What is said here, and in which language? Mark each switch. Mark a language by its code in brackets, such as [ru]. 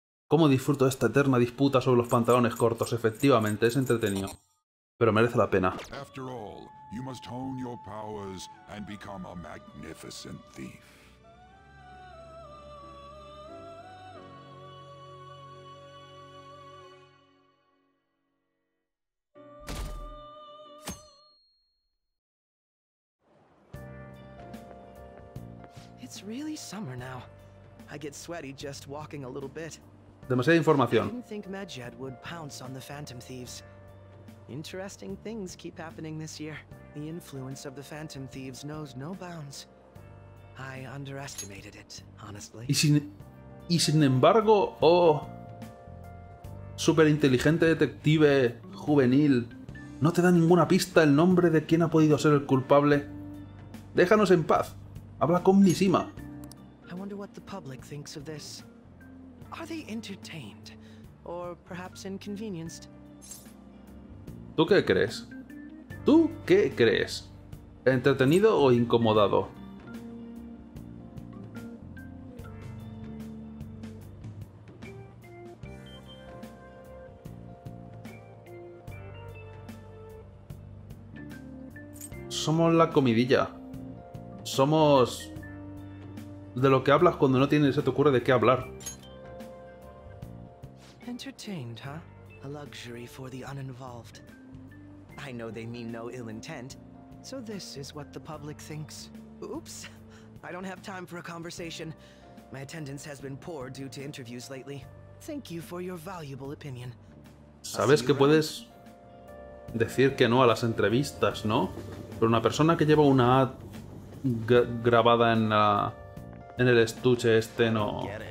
[es] ¿Cómo disfruto de esta eterna disputa sobre los pantalones cortos? Efectivamente, es entretenido. Pero merece la pena. [en] After all, you must hone your powers and become a magnificent thief. It's really summer now. I get sweaty just walking a little bit. [es] Demasiada información. [en] I didn't think Medjed would pounce on the Phantom Thieves. Interesting things keep happening this year. The influence of the Phantom Thieves knows no bounds. I underestimated it, honestly. [es] Y sin embargo, oh, super inteligente detective juvenil, no te da ninguna pista el nombre de quién ha podido ser el culpable. Déjanos en paz. Habla con Mishima. [en] I wonder what the public thinks of this. Are they entertained or perhaps inconvenienced? [es] ¿Tú qué crees? ¿Tú qué crees? ¿Entretenido o incomodado? Somos la comidilla. Somos de lo que hablas cuando no tienes, se te ocurre de qué hablar. [en] Entertained, huh? A luxury for the uninvolved. I know they mean no ill intent. So this is what the public thinks. Oops. I don't have time for a conversation. My attendance has been poor due to interviews lately. Thank you for your valuable opinion. [es] ¿Sabes que puedes decir que no a las entrevistas, no? Pero una persona que lleva una ad grabada en la en el estuche este no.